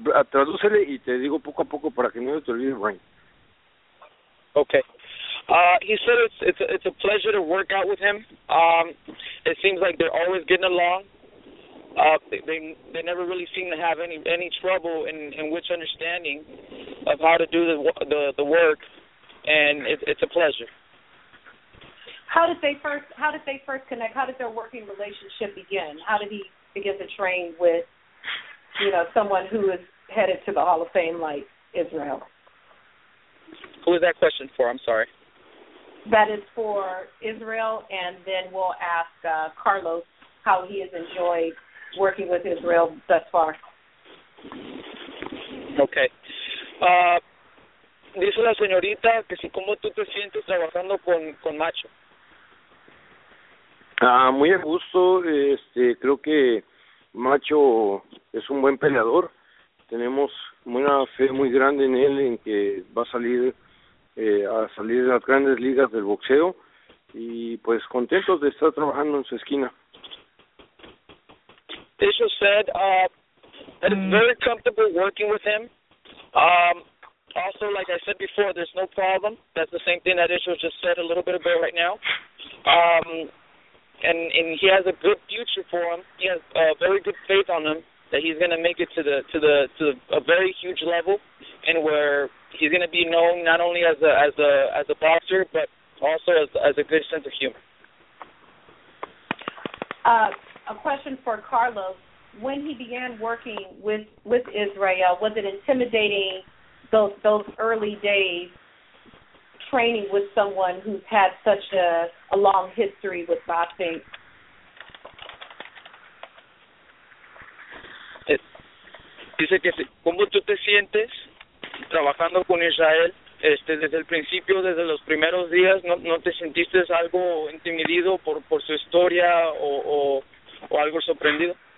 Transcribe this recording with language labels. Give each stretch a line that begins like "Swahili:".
Spanish: Tradúcele y te digo poco a poco para que no te olvides, Brian.
English: Okay. He said it's a pleasure to work out with him. It seems like they're always getting along. They never really seem to have any trouble in which understanding of how to do the work, and it's a pleasure. How did they first connect? How did their working relationship begin? How did he begin to train with, you know, someone who is headed to the Hall of Fame like Israel? Who is that question for? I'm sorry. That is for Israel, and then we'll ask Carlos how he has enjoyed working with Israel thus far. Okay.
Spanish: Dice la señorita que si cómo tú te sientes trabajando con Macho. Muy a gusto. Creo que Macho es un buen peleador. Tenemos una fe muy grande en él, en que va a salir de las grandes ligas del boxeo, y pues contentos de estar trabajando en su esquina.
English: Tisha said that it's very comfortable working with him. Also, like I said before, there's no problem. That's the same thing that Tisha just said a little bit about right now. And he has a good future for him. He has very good faith on him that he's going to make it to a very huge level, and where he's going to be known not only as a boxer, but also as a good sense of humor. A question for Carlos: when he began working with Israel, was it intimidating those early days training with someone who's had such a long history with boxing?
Spanish: Dice que cómo tú te sientes trabajando con Israel, desde el principio, desde los primeros días, ¿no te sentiste algo intimidado por su historia o algo sorprendido?